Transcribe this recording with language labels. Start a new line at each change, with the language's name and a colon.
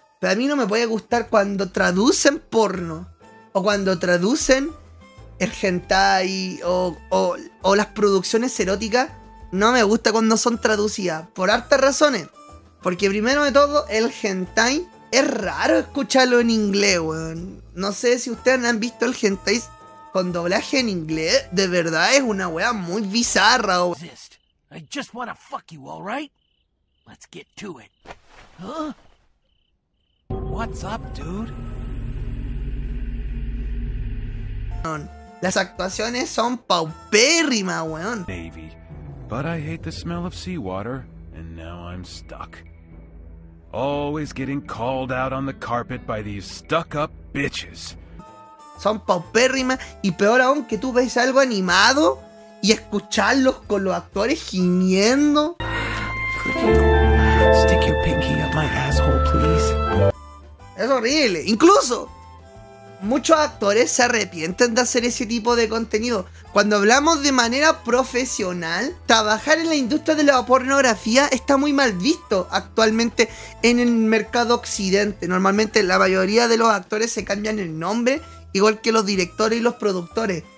Spanish: Pero a mí no me puede gustar cuando traducen porno o cuando traducen el hentai o las producciones eróticas. No me gusta cuando son traducidas por hartas razones. Porque primero de todo, el hentai es raro escucharlo en inglés, weón. No sé si ustedes han visto el hentai con doblaje en inglés. De verdad es una wea muy bizarra.
English: I just wanna fuck you, all right? Let's get to it. Huh? What's up, dude?
Spanish: Las actuaciones son paupérrimas, weón.
English: Baby, but I hate the smell of seawater, and now I'm stuck. Always getting called out on the carpet by these stuck-up bitches.
Spanish: Son paupérrimas, y peor aún que tú ves algo animado y escucharlos con los actores gimiendo.
English: Stick your pinky up my asshole, please.
Spanish: Es horrible. Incluso muchos actores se arrepienten de hacer ese tipo de contenido. Cuando hablamos de manera profesional, trabajar en la industria de la pornografía está muy mal visto actualmente en el mercado occidente. Normalmente la mayoría de los actores se cambian el nombre, igual que los directores y los productores.